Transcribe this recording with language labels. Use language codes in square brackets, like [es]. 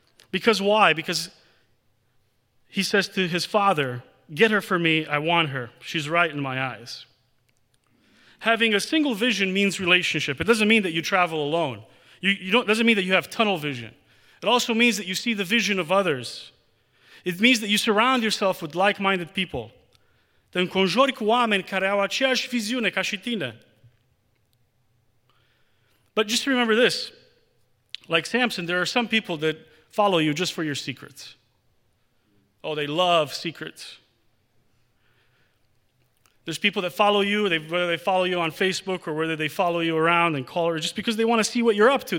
[en] Because why? Because he says to his father, get her for me, I want her. She's right in my eyes. Having a single vision means relationship. It doesn't mean that you travel alone. It doesn't mean that you have tunnel vision. It also means that you see the vision of others. It means that you surround yourself with like-minded people. [ro] Te înconjori cu oameni care au aceeași viziune ca și tine. [en] But just remember this, like Samson, there are some people that follow you just for your secrets. Oh, they love secrets. There's people that follow you, whether they follow you on Facebook or whether they follow you around and call, or just because they want to see what you're up to.